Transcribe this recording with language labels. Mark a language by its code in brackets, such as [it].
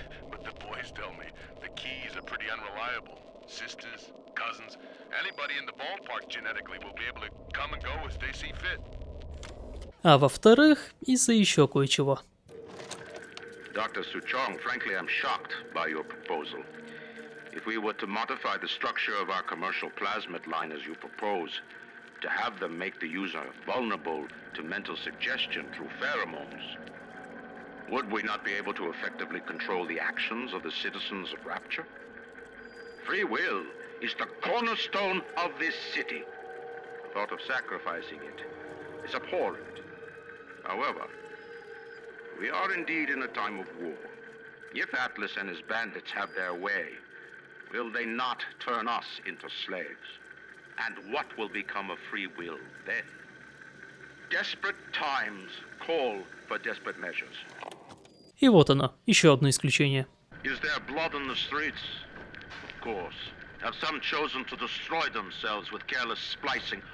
[en] But the boys tell me, the keys are pretty unreliable. Sisters, cousins, anybody in the ballpark genetically will be able to come and go as they see fit. [ru] А во-вторых, из-за еще кое-чего. [en] Dr. Suchong, frankly, I'm shocked by your proposal. If we were to modify the structure of our commercial plasmid line as you propose, to have them make the user vulnerable to mental suggestion through pheromones, would we not be able to effectively control the actions of the citizens of Rapture? Free will is the cornerstone of this city. The thought of sacrificing it is abhorrent. However, we are indeed in a time of war. If Atlas and his bandits have their way, will they not turn us into slaves? And what will become of free will then? Desperate times call for desperate measures. [ru] И вот оно, еще одно исключение. [en] Is there blood on the streets? Of course. Have some chosen to destroy themselves with careless splicing?